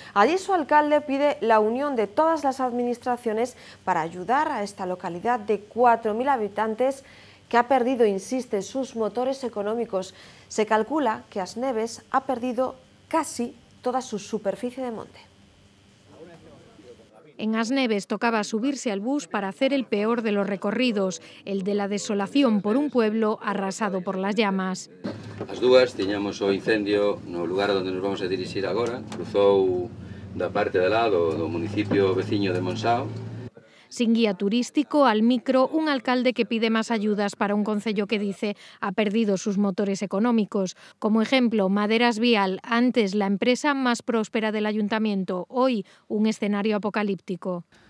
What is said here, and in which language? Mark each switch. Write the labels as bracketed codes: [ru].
[es] Allí su alcalde pide la unión de todas las administraciones para ayudar a esta localidad de 4.000 habitantes que ha perdido, insiste, sus motores económicos. Se calcula que As Neves ha perdido casi toda su superficie de monte. En As Neves tocaba subirse al bus para hacer el peor de los recorridos, el de la desolación por un pueblo arrasado por las llamas. [gl] As dúas tiñamos o incendio no lugar donde nos vamos a dirigir agora. Cruzou da parte de lado do municipio veciño de Monsao. [es] Sin guía turístico, al micro, un alcalde que pide más ayudas para un concello que dice ha perdido sus motores económicos. Como ejemplo, Maderas Vial, antes la empresa más próspera del ayuntamiento, hoy un escenario apocalíptico.